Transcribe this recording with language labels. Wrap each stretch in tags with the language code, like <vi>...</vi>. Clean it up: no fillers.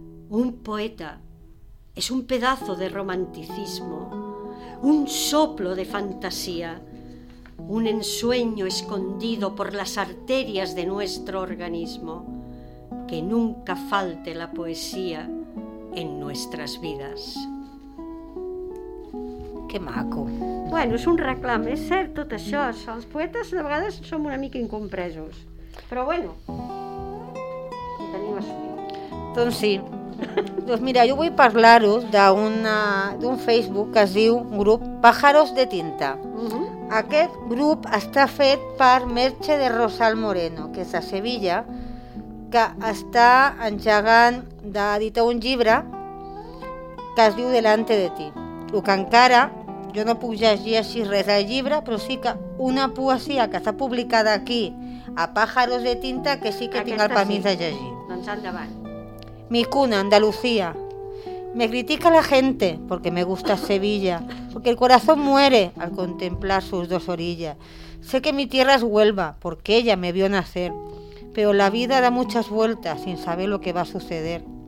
<es>Un poeta es un pedazo de romanticismo, un soplo de fantasía, un ensueño escondido por las arterias de nuestro organismo. Que nunca falte la poesía en nuestras vidas.</es> <ca>Que maco. Bueno, és un reclam, és cert tot això. Els poetes de vegades som una mica incompresos. Però bueno, ho tenim assumit. Doncs sí. Doncs mira, jo vull parlar-vos d'un Facebook que es diu grup Pájaros de Tinta. Uh-huh. Aquest grup està fet per Merche de Rosal Moreno, que és de Sevilla, que està engegant d'editar un llibre que es diu Delante de ti. El que encara, jo no puc llegir així res del llibre, però sí que una poesia que està publicada aquí a Pájaros de Tinta, que sí que aquesta tinc el permís sí de llegir. Doncs endavant.</ca> <es>Mi cuna, Andalucía. Me critica la gente porque me gusta Sevilla, porque el corazón muere al contemplar sus dos orillas. Sé que mi tierra es Huelva porque ella me vio nacer, pero la vida da muchas vueltas sin saber lo que va a suceder.</es>